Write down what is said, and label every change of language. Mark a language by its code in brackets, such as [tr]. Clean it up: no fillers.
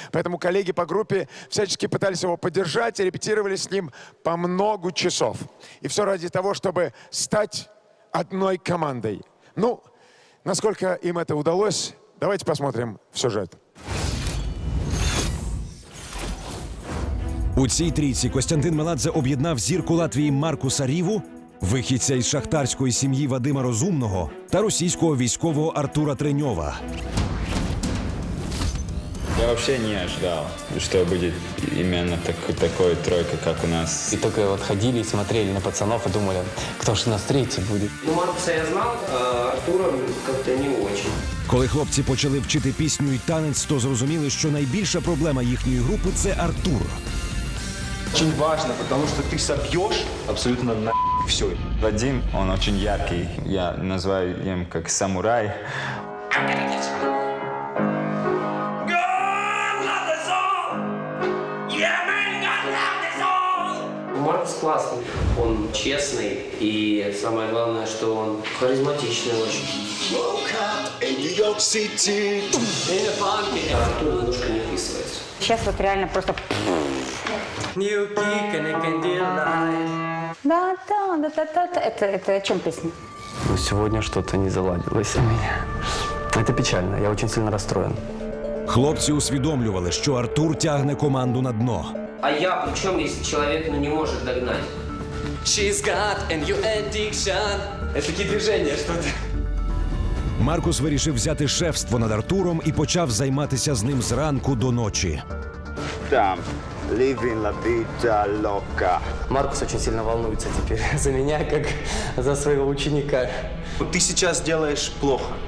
[ru] Поэтому коллеги по группе всячески пытались его поддержать и репетировали с ним по много часов. И все ради того, чтобы стать одной командой. Ну, насколько им это удалось, давайте посмотрим в сюжет. [uk] У цій трійці Костянтин Меладзе об'єднав зірку Латвії Маркуса Ріву, вихідця із шахтарської сім'ї Вадима Розумного та російського військового Артура Треньова. Я взагалі не чекав, що буде іменно такою тройкою, як у нас. І тільки от ходили, смотрели на пацанов і думали, хто ж у нас третій буде. Ну, Маркуса я знав, а Артура как-то не дуже. Коли хлопці почали вчити пісню і танець, то зрозуміли, що найбільша проблема їхньої групи – це Артур. [ru] Очень важно, потому что ты собьешь абсолютно на все. Вадим, он очень яркий. Я называю им как самурай. Маркус классный. Он честный. И самое главное, что он харизматичный очень. Артур немножко не вписывается. Сейчас вот реально просто... Это о чем песня? Ну, сегодня что-то не заладилось у меня. Это печально, я очень сильно расстроен. [uk] Хлопцы усвідомлювали, что Артур тягне команду на дно. [ru] А я при чем, если человек не может догнать? [en] She's got a new addiction. [ru] Это такие движения, что ты... [uk] Маркус вирішив взяти шефство над Артуром і почав займатися з ним зранку до ночі. [en] Там, living la vida loca. [ru] Маркус очень сильно волнуется теперь за меня, как за своего ученика. Ты сейчас делаешь плохо.